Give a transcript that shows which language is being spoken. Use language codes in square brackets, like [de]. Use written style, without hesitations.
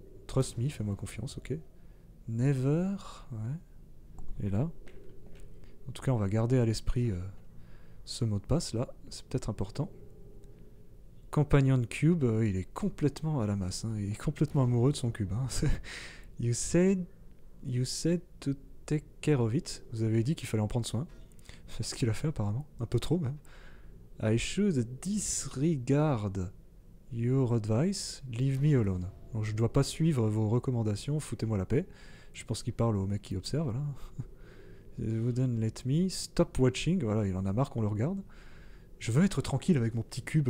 [en] Trust me, [fr] fais-moi confiance, ok. [en] Never, [fr] ouais. Et là. En tout cas, on va garder à l'esprit ce mot de passe là. C'est peut-être important. Companion Cube, il est complètement à la masse. Hein. Il est complètement amoureux de son cube. Hein. [en] You said to take care of it. [fr] Vous avez dit qu'il fallait en prendre soin. C'est ce qu'il a fait apparemment. Un peu trop même. [en] I should disregard your advice. Leave me alone. [fr] Donc je ne dois pas suivre vos recommandations. Foutez-moi la paix. Je pense qu'il parle au mec qui observe là. [en] You wouldn't let me. Stop watching. [fr] Voilà, il en a marre qu'on le regarde. Je veux être tranquille avec mon petit cube.